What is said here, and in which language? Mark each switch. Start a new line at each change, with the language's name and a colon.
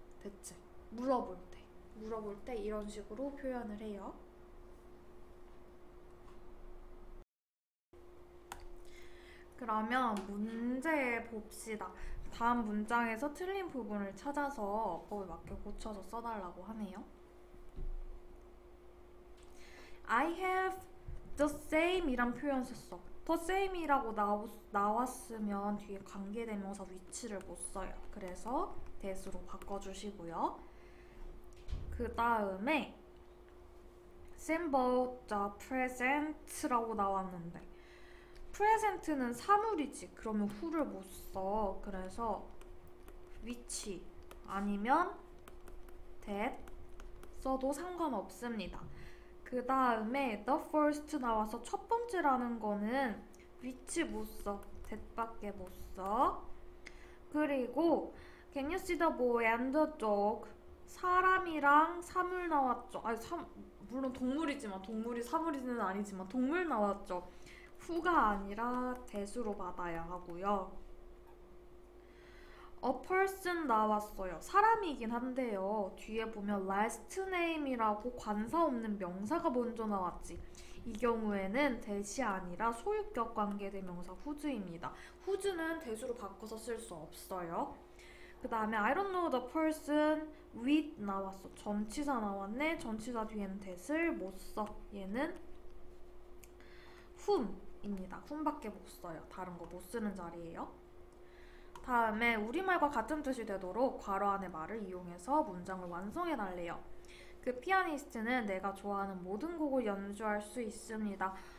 Korean: 대체 물어볼 때. 물어볼 때 이런 식으로 표현을 해요. 그러면 문제 봅시다. 다음 문장에서 틀린 부분을 찾아서 어법에 맞게 고쳐서 써달라고 하네요.
English: I have the same
Korean: 이란 표현 썼어. the same이라고 나왔으면 뒤에 관계대명사 위치를 못 써요. 그래서 that으로 바꿔주시고요. 그 다음에
English: symbol the present
Korean: 라고 나왔는데 present는 사물이지. 그러면 who를 못 써. 그래서 위치 아니면 that 써도 상관없습니다. 그 다음에 the first 나와서 첫 번째라는 거는 위치 못 써. that밖에 못 써. 그리고
English: can you see the boy and the dog?
Korean: 사람이랑 사물 나왔죠. 아니, 물론 동물이지만 동물이 사물이지는 아니지만 동물 나왔죠. who가 아니라 that으로 받아야 하고요.
English: A person
Korean: 나왔어요. 사람이긴 한데요. 뒤에 보면 last name이라고 관사 없는 명사가 먼저 나왔지. 이 경우에는 that이 아니라 소유격 관계대명사 후즈입니다. 후즈는 that으로 바꿔서 쓸수 없어요. 그 다음에
English: I don't know the person with
Korean: 나왔어. 전치사 나왔네. 전치사 뒤에는 that을 못 써. 얘는 whom입니다. whom밖에 못 써요. 다른 거못 쓰는 자리예요. 다음에 우리말과 같은 뜻이 되도록 괄호 안에 말을 이용해서 문장을 완성해 달래요. 그 피아니스트는 내가 좋아하는 모든 곡을 연주할 수 있습니다.